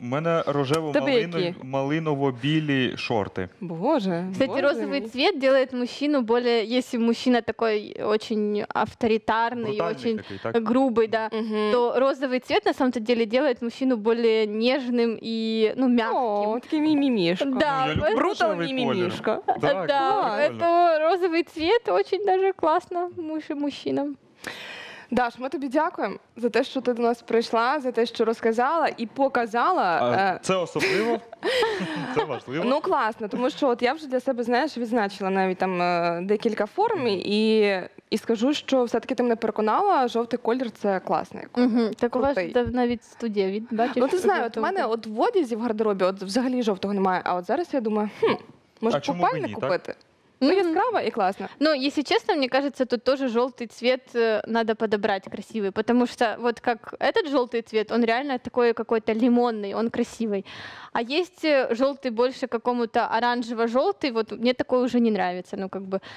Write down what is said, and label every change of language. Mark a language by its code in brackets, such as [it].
[uk] У мене рожево-малиново-білі шорти. Боже. Кстати, розовий цвіт робить мужчину більше, якщо мужчина такий очень авторитарний, очень такий, так? Грубий, да, то розовий цвіт [ru] на самом деле [uk] робить мужчину більше ніжним і, ну, м'яким. О, такий мімішко. Да, брутал мімішко. Так, [ru] да, это розовий цвіт очень даже класно мужчинам. [uk] Даш, ми тобі дякуємо за те, що ти до нас прийшла, за те, що розказала і показала. Це особливо? Це важливо? Ну, класно, тому що от я вже для себе, знаєш, відзначила навіть там декілька форм і скажу, що все-таки ти мене переконала, жовтий колір – це класний. Так у вас навіть студія, бачиш? Ну, ти знаєш, от в мене от в одязі в гардеробі от взагалі жовтого немає, а от зараз я думаю, може купальник купити? Ну, яскраво и классно. [ru] Ну, если честно, мне кажется, тут тоже желтый цвет надо подобрать красивый. Потому что вот как этот желтый цвет, он реально такой какой-то лимонный, он красивый. А есть желтый больше какому-то оранжево-желтый, вот мне такой уже не нравится. Ну, как бы.